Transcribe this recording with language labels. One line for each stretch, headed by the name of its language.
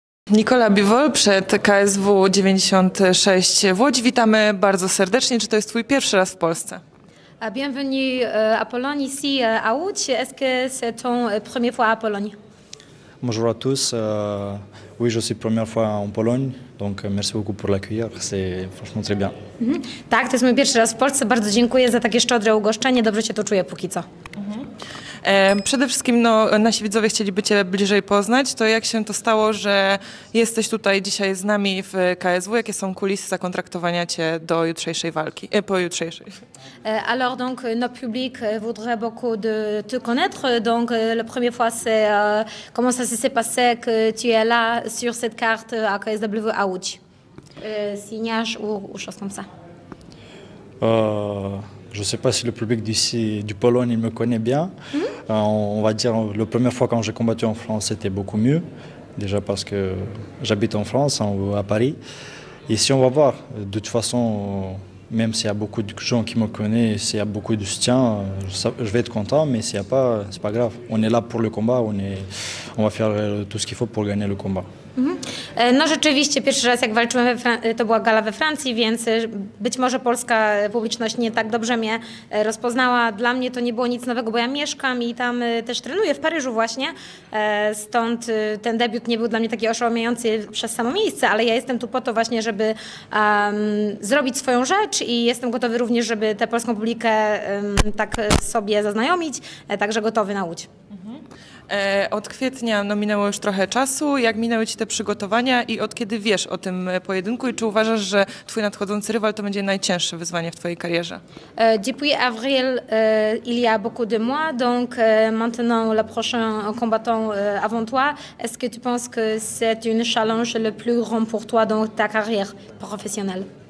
Polish: Nicola Biwol przed KSW 96 w Łodzi. Witamy bardzo serdecznie. Czy to jest twój pierwszy raz w Polsce?
French: Bienvenue à Apollon ici à Łódź. Est-ce que c'est ton première fois à Apollon? Bonjour à tous. Oui, je suis première fois en Pologne, donc merci beaucoup pour l'accueil, c'est franchement très bien. Mm-hmm.
Polish: Tak, to jest mój pierwszy raz w Polsce, bardzo dziękuję za takie szczodre ugoszczenie, dobrze się tu czuję póki co. Mm-hmm. Przede wszystkim no, nasi widzowie chcieliby Cię bliżej poznać, to jak się to stało, że jesteś tutaj dzisiaj z nami w KSW, jakie są kulisy zakontraktowania Cię do jutrzejszej walki, po jutrzejszej?
French: Alors donc notre public voudrait beaucoup de te connaître donc la première fois c'est comment ça s'est passé que tu es là sur cette carte à KSW à Łódź. Signage ou chose comme ça. Je sais pas si le public d'ici du Pologne il me connaît bien. Mm-hmm. On va dire la première fois quand j'ai combattu en France c'était beaucoup mieux déjà parce que j'habite en France à Paris. Ici on va voir de toute façon même s'il y a beaucoup de gens qui me connaissent, s'il y a beaucoup de soutien, je vais être content, mais s'il y a pas, c'est pas grave. On est là pour le combat, on va faire tout ce qu'il faut pour gagner le combat. Mm-hmm.
Polish: No rzeczywiście, pierwszy raz jak walczyłem, to była gala we Francji, więc być może polska publiczność nie tak dobrze mnie rozpoznała. Dla mnie to nie było nic nowego, bo ja mieszkam i tam też trenuję, w Paryżu właśnie. Stąd ten debiut nie był dla mnie taki oszałamiający przez samo miejsce, ale ja jestem tu po to właśnie, żeby zrobić swoją rzecz i jestem gotowy również, żeby tę polską publikę tak sobie zaznajomić, także gotowy na Łódź. Od kwietnia no, minęło już trochę czasu. Jak minęły Ci te przygotowania i od kiedy wiesz o tym pojedynku i czy uważasz, że Twój nadchodzący rywal to będzie najcięższe wyzwanie w Twojej karierze?
French: Depuis avril, il y a beaucoup de mois, donc maintenant le prochain combattant avant toi, est-ce que tu penses que c'est une challenge le plus grand pour toi dans ta carrière professionnelle?